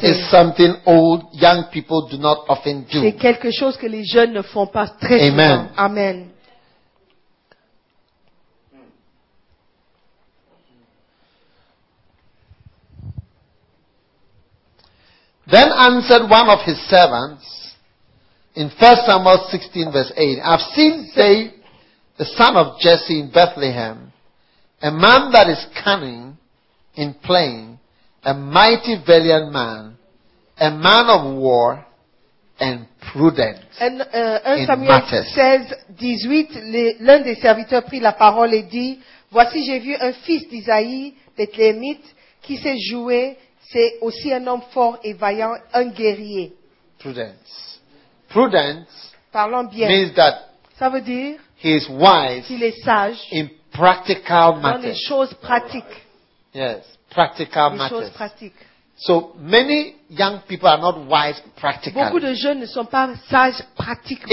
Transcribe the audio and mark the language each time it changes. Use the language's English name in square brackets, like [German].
[English] This is something old young people do not often do. [French] C'est quelque chose que les jeunes ne font pas très [English] Amen. [French] Souvent. Amen. [English] Then answered one of his servants in 1 Samuel 16 verse 8, I've seen, say, the son of Jesse in Bethlehem, a man that is cunning in playing, a mighty valiant man, a man of war, and prudent in matters. [French] 1 Samuel 16, 18, l'un des serviteurs prit la parole et dit, Voici, j'ai vu un fils d'Isaïe, Bethlehemite, qui s'est joué. C'est aussi un homme fort et vaillant, un guerrier. Prudence. Prudence. Parlons bien. [English] Means that. [French] Ça veut dire. [English] He is wise. [French] Il est sage. [English] In practical matters. [French] Dans les choses pratiques. [English] Yes, practical [French] les [English] matters. [French] Les choses pratiques. [English] So many young people are not wise practically. [French] Beaucoup de jeunes ne sont pas sages pratiquement.